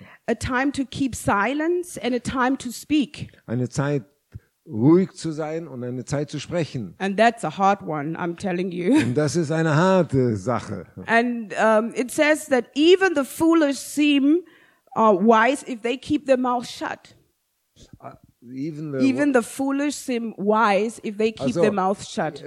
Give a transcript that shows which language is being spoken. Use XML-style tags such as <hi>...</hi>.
<en>A time to keep silence and a time to speak.</en> <de>Eine Zeit ruhig zu sein und eine Zeit zu sprechen.</de> <en>And that's a hard one, I'm telling you.</en> <de>Und das ist eine harte Sache.</de> <en>And it says that even the foolish seem wise if they keep their mouth shut. Even the foolish seem wise if they keep their mouth shut.</en>